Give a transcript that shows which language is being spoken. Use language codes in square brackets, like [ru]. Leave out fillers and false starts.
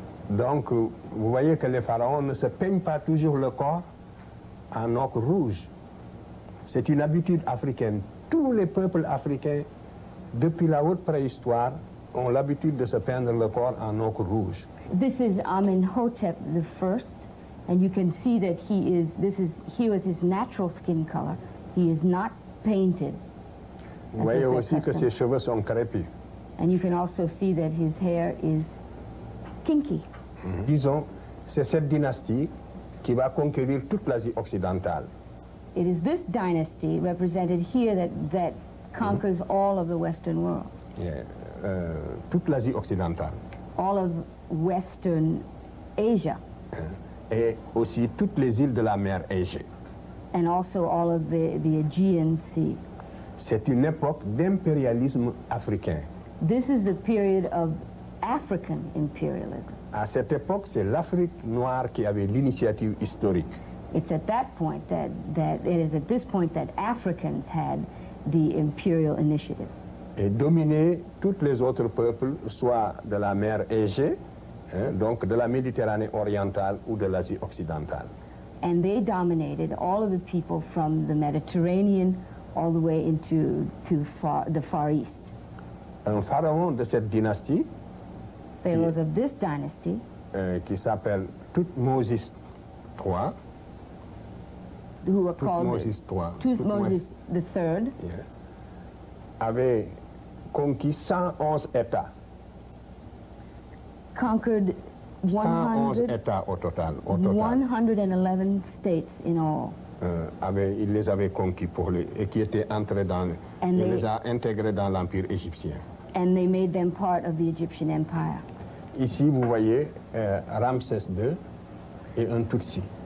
[fr] Donc, vous voyez que les pharaons ne se peignent pas toujours le corps en ocre rouge. C'est une habitude africaine. Tous les peuples africains, depuis la haute préhistoire, ont l'habitude de se peindre le corps en ocre rouge. [en] This is Amenhotep the First, and you can see that he is, this is here with his natural skin color. He is not painted. [fr] Vous voyez aussi que ses cheveux sont crépus. [en] And you can also see that his hair is kinky. Mm-hmm. [fr] Disons, c'est cette dynastie qui va conquérir toute l'Asie occidentale. [en] It is this dynasty represented here that conquers mm-hmm. all of the Western world. [fr] Yeah, toute l'Asie occidentale. [en] All of Western Asia. [fr] Et aussi toutes les îles de la mer Égée. [en] And also all of the Aegean Sea. [fr] C'est une époque d'impérialisme africain. [en] This is a period of African imperialism. [fr] À cette époque, c'est l'Afrique noire qui avait l'initiative historique. [en] It's at that point that it is at this point that Africans had the imperial initiative. [fr] Et dominer tous les autres peuples, soit de la mer Égée, hein, donc de la Méditerranée orientale ou de l'Asie occidentale. [en] And they dominated all of the people from the Mediterranean all the way into to far, the Far East. [fr] Un pharaon de cette dynastie [en] Pharaohs of this dynasty, [fr] qui s'appelle Thutmose III, [en] who are called Thutmose the Third, [fr] yeah, avait conquis 111 états. [en] Conquered [fr] 111 états au total. [en] 111 states in all. [fr] Il les avait conquis pour lui et qui était entré dans, il les a intégrés dans l'empire égyptien. [en] And they made them part of the Egyptian Empire. [fr] Ici, vous voyez Ramsès II et un Tutsi.